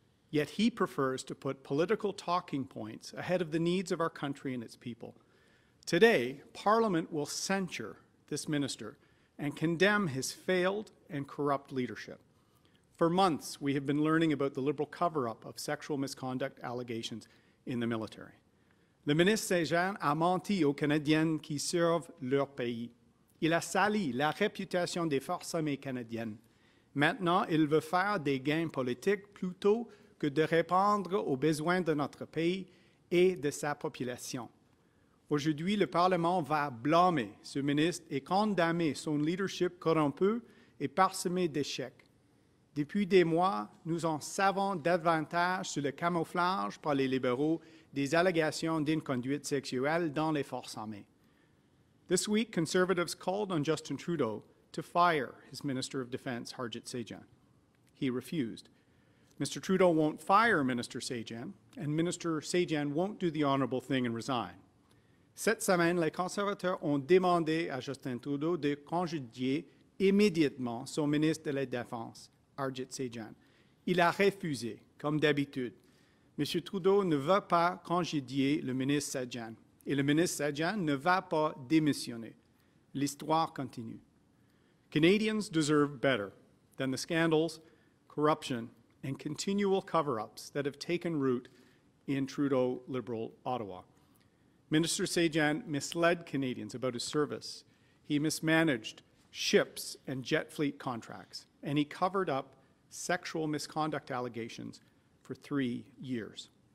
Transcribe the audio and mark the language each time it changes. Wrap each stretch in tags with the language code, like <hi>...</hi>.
<en>Yet he prefers to put political talking points ahead of the needs of our country and its people. Today, Parliament will censure this minister and condemn his failed and corrupt leadership. For months, we have been learning about the Liberal cover-up of sexual misconduct allegations in the military.</en> <fr>Le ministre Sajjan a menti aux Canadiens qui servent leur pays. Il a sali la réputation des forces armées canadiennes. Maintenant, il veut faire des gains politiques plutôt que de répondre aux besoins de notre pays et de sa population. Aujourd'hui, le Parlement va blâmer ce ministre et condamner son leadership corrompu et parsemé d'échecs. Depuis des mois, nous en savons davantage sur le camouflage par les libéraux des allégations d'inconduite sexuelle dans les forces armées.</fr> <en>This week, conservatives called on Justin Trudeau to fire his Minister of Defense, Harjit Sajjan. He refused. Mr. Trudeau won't fire Minister Sajjan, and Minister Sajjan won't do the honorable thing and resign.</en> <fr>Cette semaine, les conservateurs ont demandé à Justin Trudeau de congédier immédiatement son ministre de la Défense, Harjit Sajjan. Il a refusé, comme d'habitude. Monsieur Trudeau ne veut pas congédier le ministre Sajjan, et le ministre Sajjan ne va pas démissionner. L'histoire continue.</fr> <en>Canadians deserve better than the scandals, corruption, and continual cover-ups that have taken root in Trudeau Liberal Ottawa. Minister Sajjan misled Canadians about his service. He mismanaged ships and jet fleet contracts, and he covered up sexual misconduct allegations for 3 years.</en>